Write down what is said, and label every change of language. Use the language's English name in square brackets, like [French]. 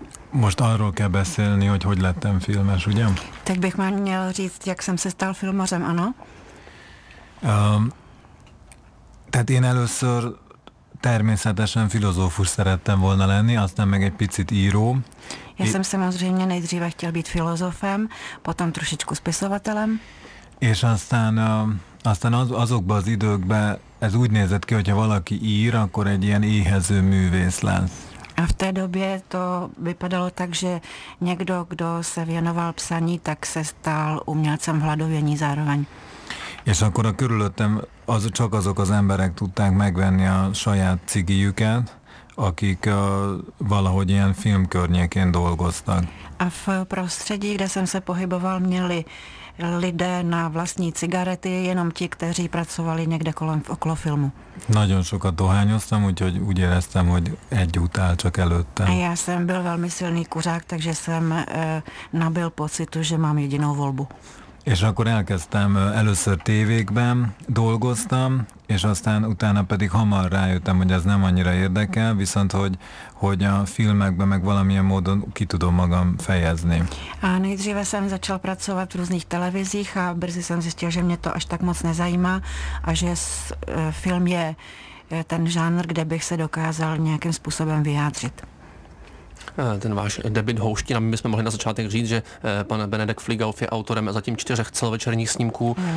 [Hungarian] Most arról kell beszélni, hogy hogy lettem filmes, ugye? [Czech] Tak bych már měl říct, jak jsem se stal filmařem, ano? [Hungarian] Tehát én először természetesen filozófus szerettem volna lenni, aztán meg egy picit író. [Czech] Já jsem samozřejmě nejdříve chtěl být filozofem, potom trošičku spisovatelem. [Hungarian] És aztán, azokban az időkben ez úgy nézett ki, hogyha valaki ír, akkor egy ilyen éhező művész lesz. [Czech] A v té době to vypadalo tak, že někdo, kdo se věnoval psaní, tak se stal umělcem v hladovění zároveň. [Hungarian] És akkor a körülöttem az, csak azok az emberek tudták megvenni a saját cigijüket, akik valahogy ilyen filmkörnyékén dolgoztak. [Czech] A v prostředí, kde jsem se pohyboval, měli lidé na vlastní cigarety, jenom ti, kteří pracovali někde kolem okolo filmu. [Hungarian] Nagyon sokat dohányoztam, úgyhogy úgy éreztem, hogy egy út áll csak előttem. [Czech] A já jsem byl velmi silný kuřák, takže jsem nabil pocitu, že mám jedinou volbu. [Hungarian] És akkor elkezdtem először tévékben dolgoztam, és aztán utána pedig hamar rájöttem, hogy ez nem annyira érdekel, viszont hogy a filmekben meg valamilyen módon ki tudom magam fejezni. [Czech] A nejdříve jsem začal pracovat v různých televizích a brzy jsem zjistil, že mě to až tak moc nezajímá a že film je ten žánr, kde bych se dokázal nějakým způsobem vyjádřit. Ten váš debut houština, my bychom mohli na začátek říct, že pan Benedek Fligauf je autorem zatím 4 celovečerních snímků.